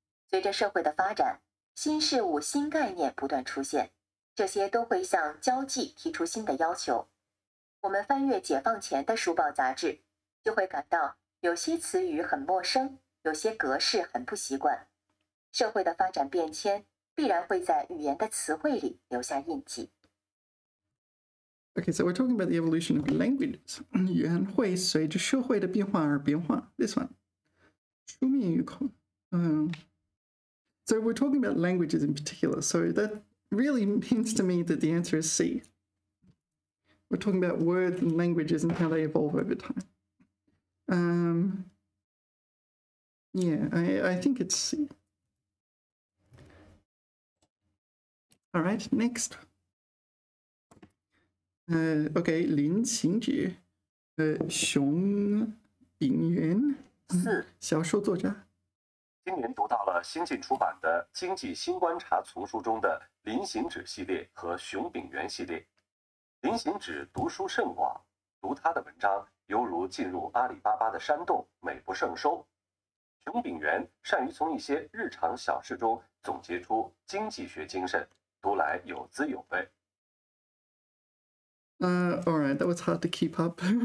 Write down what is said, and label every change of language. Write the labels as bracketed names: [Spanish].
[Chinese] 随着社会的发展，新事物、新概念不断出现，这些都会向交际提出新的要求。我们翻阅解放前的书报杂志，就会感到有些词语很陌生，有些格式很不习惯。社会的发展变迁必然会在语言的词汇里留下印记。 [English] Okay, so we're talking about the evolution of languages. [Chinese] 语言会随着社会的变化而变化。 [English] This one，书面语口。So we're talking about languages in particular. So that really means to me that the answer is C. We're talking about words and languages and how they evolve over time. Yeah, I think it's C. All right, next. [Chinese] Okay, 林行止, 熊秉元, 小说作家。今年读到了新近出版的《经济新观察》丛书中的林行止系列和熊秉元系列。林行止读书甚广，读他的文章犹如进入阿里巴巴的山洞，美不胜收。熊秉元善于从一些日常小事中总结出经济学精神，读来有滋有味。 [English] All right, that was hard to keep up.